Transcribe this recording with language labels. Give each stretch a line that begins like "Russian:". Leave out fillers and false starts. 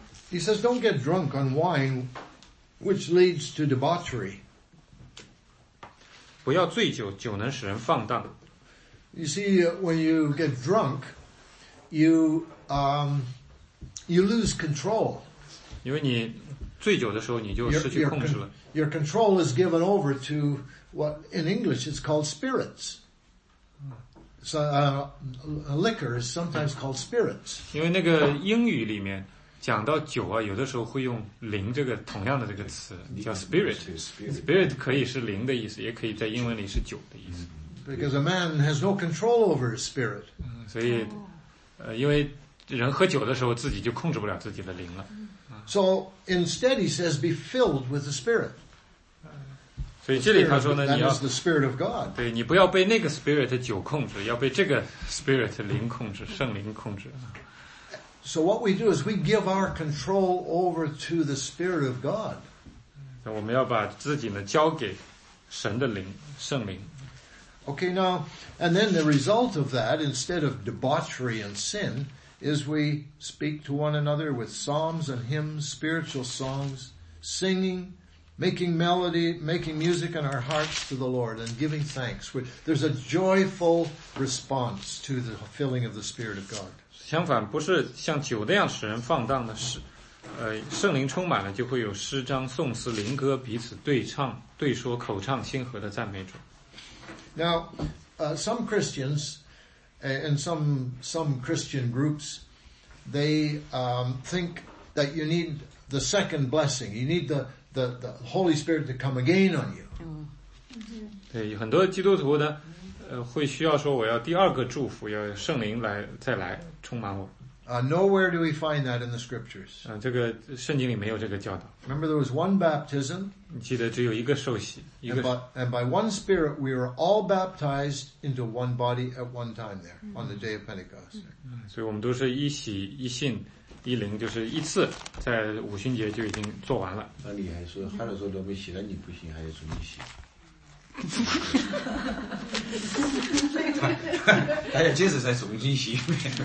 English: He says, don't get drunk on wine, which leads to debauchery.
Chinese: 不要醉酒，酒能使人放荡。
English: You see, when you get drunk, you lose control.
Chinese: 因为你醉酒的时候，你就失去控制了。
English: Your control is given over to what in English is called spirits. So, liquor is sometimes called spirits.
Chinese: 因为那个英语里面讲到酒啊，有的时候会用灵这个同样的这个词，叫 spirit。 spirit 可以是灵的意思，也可以在英文里是酒的意思。
English: Because a man has no control over his spirit。
Chinese: 所以，因为人喝酒的时候自己就控制不了自己的灵了。
English: So instead, he says, be filled with the spirit。
Chinese: 所以这里他说呢，你要
English: the spirit of God。
Chinese: 对，你不要被那个 spirit 的酒控制，要被这个 spirit 灵控制，圣灵控制。
English: So what we do is we give our control over to the Spirit of God.
Chinese: 我们要把自己呢交给神的灵，圣灵。
English: Okay, now, and then the result of that, instead of debauchery and sin, is we speak to one another with psalms and hymns, spiritual songs, singing, making melody, making music in our hearts to the Lord and giving thanks. There's a joyful response to the filling of the Spirit of God.
Chinese: 相反，不是像酒那样使人放荡的事，圣灵充满了，就会有诗章、颂词、灵歌彼此对唱、对说、口唱心和的赞美主。
English: Now, some Christians and some Christian groups, they think that you need the second blessing. You need the Holy Spirit to come again on you.
Chinese: 对，很多基督徒呢。会需要说我要第二个祝福，要圣灵来再来充满我。
English: Nowhere do we find that in the scriptures.
Chinese: 这个圣经里没有这个教导。
English: Remember, there was one baptism.
Chinese: 记得只有一个受洗。
English: And by one Spirit, we were all baptized into one body at one time there on the day of Pentecost.
Chinese: 所以我们都是一洗一信一灵，就是一次在五旬节就已经做完了。那你还说，还是说都没洗，那你不行，还要重新洗。大家接着再重新洗一遍。